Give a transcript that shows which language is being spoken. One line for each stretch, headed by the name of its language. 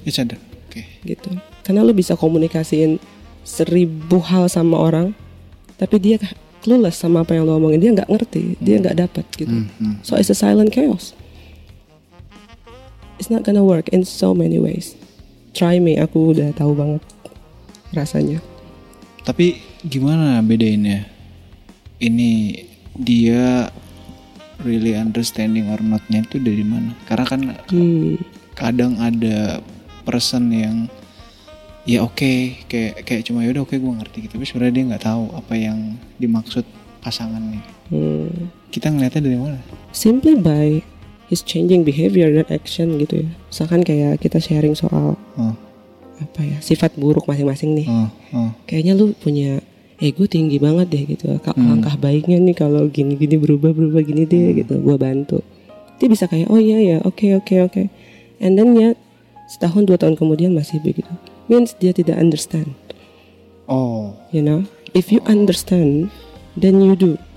English: Each other, okay.
Indonesian: Gitu. Karena lo bisa komunikasiin 1000 hal sama orang, tapi dia clueless sama apa yang lo omongin. Dia gak ngerti, dia gak dapat gitu.
English: So it's a silent chaos. It's not gonna work in so many ways. Try me,
Indonesian: aku udah tahu banget rasanya. Tapi gimana bedainnya? Ini dia
English: really understanding
Indonesian: or notnya itu dari mana? Karena kan kadang ada person yang ya oke, okay, kayak cuma yaudah oke, okay, gue ngerti gitu. Tapi sebenarnya dia nggak tahu apa yang dimaksud pasangannya. Kita ngelihatnya dari mana?
English: Simply by is changing behavior
Indonesian: dan
English: action
Indonesian: gitu ya. Misalkan kayak kita sharing soal apa ya, sifat buruk masing-masing nih. Kayaknya lu punya ego tinggi banget deh gitu. Langkah baiknya nih kalau gini-gini berubah-berubah gini deh gitu. Gua bantu. Dia bisa kayak oh iya ya, oke.
English: And then
Indonesian: ya setahun dua tahun kemudian masih begitu.
English: Means
Indonesian: dia tidak understand.
English: You know, if you understand, then you do.